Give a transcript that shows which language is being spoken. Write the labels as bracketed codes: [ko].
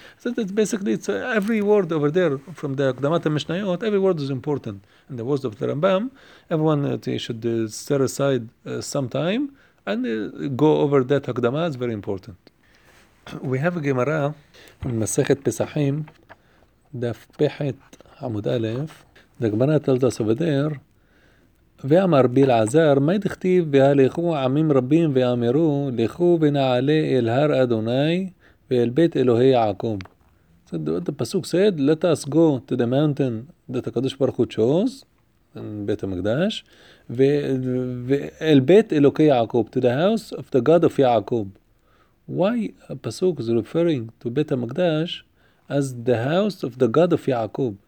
[en] So that's basically it's every word over there from the Akdamat HaMishnayot. Every word is important. And the words of the Rambam, everyone should set aside some time and go over that Akdamah. It's very important. We have a Gemara in Masechet Pesachim. Daf Pechet Amud Aleph. The Gemara tells us over there, [he] ואמר ביל עזר, מי דכתיב והלכו עמים רבים ואמרו, לכו ונעלה אל הר אדוני ואל בית אלוהי יעקב. [en] The Pasuk said, let us go to the mountain that the Kadosh Baruch Hu chose, in בית המקדש, [he] ואל בית אלוהי יעקב, [en] to the house of the God of יעקב. Why a Pasuk is referring to בית המקדש as the house of the God of Yaakov?